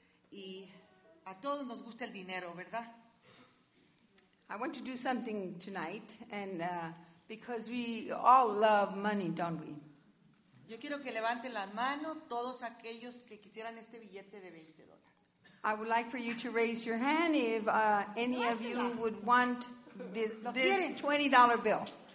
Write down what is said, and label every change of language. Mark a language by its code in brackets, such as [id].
[es] Y a todos nos gusta el dinero, ¿verdad? [en] I want to do something tonight, and because we all love money, don't we? [es] Yo quiero que levanten la mano todos aquellos que quisieran este billete de $20. [en] I would like for you to raise your hand if any of you would want this $20 bill.